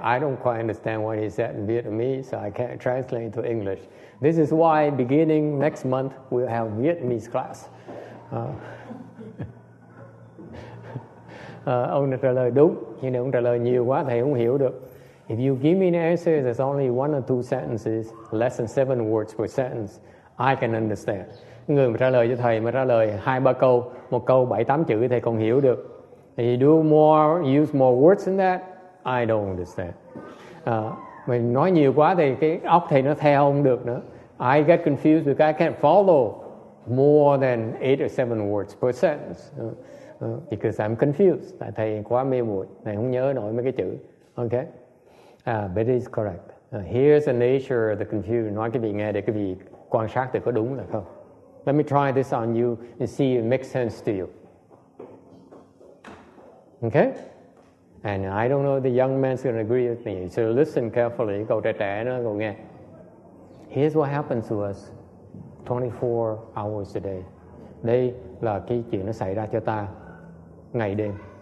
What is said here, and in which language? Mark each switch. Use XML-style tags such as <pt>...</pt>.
<en>I don't quite understand what he said in Vietnamese, so I can't translate to English. This is why beginning next month we'll have Vietnamese class.</en> <vi>Ông trả lời đúng, nhưng ông trả lời nhiều quá thầy không hiểu được.</vi> <en>If you give me an answer that's only one or two sentences, less than 7 words per sentence, I can understand.</en> <vi>Người mà trả lời cho thầy mà trả lời 2-3 câu, một câu 7-8 chữ thầy còn hiểu được.</vi> <en>If you do more, use more words than that, I don't understand.</en> <vi>Mình nói nhiều quá thì cái óc thầy nó theo không được nữa.</vi> <en>I get confused because I can't follow more than 8 or 7 words per sentence. Because I'm confused.</en> <vi>Tại thầy quá mê muội, thầy không nhớ nổi mấy cái chữ. Okay?</vi> <en>But it is correct. Here's the nature of the confusion.</en> <vi>Nói cái vị nghe để cái vị quan sát thì có đúng là không.</vi> <en>Let me try this on you and see if it makes sense to you. Okay? And I don't know if the young man's going to agree with me. So listen carefully.</en> <vi>Cậu trẻ trẻ nó cậu nghe.</vi> <en>Here's what happens to us 24 hours a day.</en> <vi>Đây là cái chuyện nó xảy ra cho ta ngày đêm.</vi>